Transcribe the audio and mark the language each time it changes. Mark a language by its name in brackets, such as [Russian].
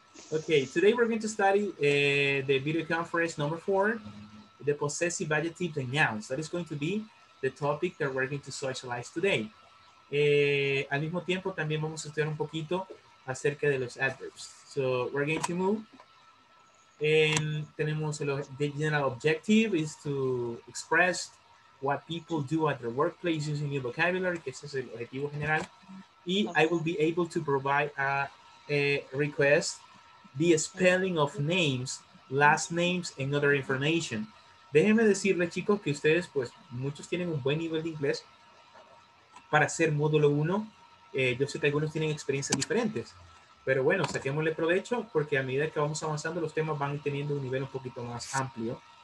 [English] Okay, today we're going to study the video conference number 4, the possessive adjectives and nouns. That is going to be the topic that we're going to socialize today. [Spanish] al mismo tiempo también vamos a estudiar un poquito acerca de los adverbs. [English] So we're going to move. And tenemos el general objective is to express what people do at their workplace using new vocabulary, [Spanish] que ese es el objetivo general. [English] Y I will be able to provide a request the spelling of names, last names, and other information. [Spanish] Déjenme decirles, chicos, que ustedes, pues, muchos tienen un buen nivel de inglés para hacer módulo 1. Yo sé que algunos tienen experiencias diferentes. Pero bueno, saquémosle provecho porque a medida que vamos avanzando, los temas van teniendo un nivel un poquito más amplio.